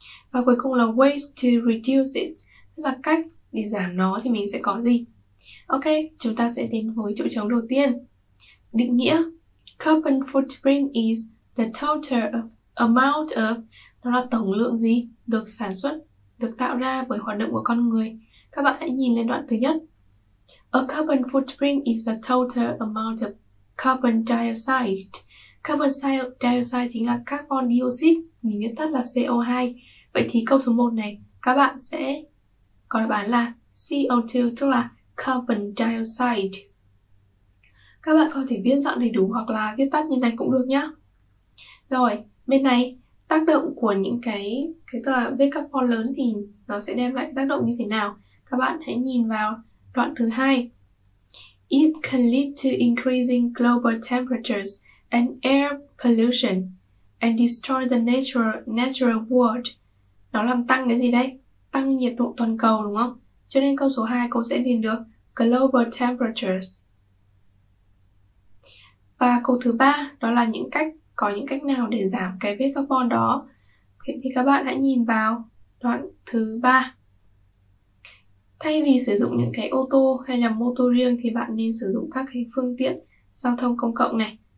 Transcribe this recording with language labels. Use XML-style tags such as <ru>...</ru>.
<vi>Và cuối cùng là</vi> <en>ways to reduce it,</en> <vi>tức là cách để giảm nó thì mình sẽ có gì. Ok, chúng ta sẽ đến với chỗ trống đầu tiên. Định nghĩa</vi> <en>carbon footprint is the total amount of,</en> <vi>nó là tổng lượng gì được sản xuất, được tạo ra bởi hoạt động của con người. Các bạn hãy nhìn lên đoạn thứ nhất.</vi> <en>A carbon footprint is the total amount of carbon dioxide.</en> <vi>Carbon dioxide chính là carbon dioxide, mình viết tắt là CO2. Vậy thì câu số 1 này các bạn sẽ có đáp án là CO2, tức là carbon dioxide. Các bạn có thể viết dạng đầy đủ hoặc là viết tắt như này cũng được nhá. Rồi, bên này tác động của những cái tức là viết carbon lớn thì nó sẽ đem lại tác động như thế nào? Các bạn hãy nhìn vào đoạn thứ hai.</vi> <en>It can lead to increasing global temperatures and air pollution and destroy the natural world.</en> <vi>Nó làm tăng cái gì đây? Tăng nhiệt độ toàn cầu đúng không? Cho nên câu số 2 cô sẽ điền được global temperatures. Và câu thứ 3 đó là những cách có những cách nào để giảm cái viết carbon đó. Vậy thì các bạn hãy nhìn vào đoạn thứ 3. Thay vì sử dụng những cái ô tô hay là mô tô riêng thì bạn nên sử dụng các cái phương tiện giao thông công cộng này.</vi>